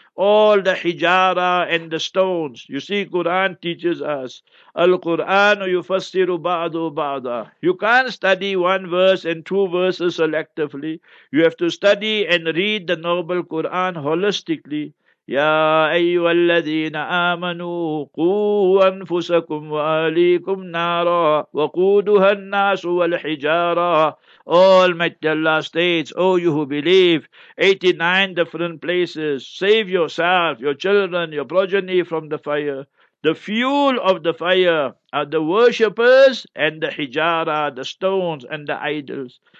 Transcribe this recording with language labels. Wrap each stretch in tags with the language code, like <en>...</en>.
<en>All the hijara and the stones. You see, Quran teaches us.</en> <ar>Al-Quran yufassiru ba'du ba'da.</ar> <en>You can't study one verse and two verses selectively. You have to study and read the noble Quran holistically.</en> <ar>يا أيها الذين آمنوا قوا أنفسكم وأهليكم نارا وقودها الناس والحجارة.</ar> <en>Almighty Allah states, O you who believe, 89 different places, save yourself, your children, your progeny from the fire. The fuel of the fire are the worshippers and the hijara, the stones and the idols.</en>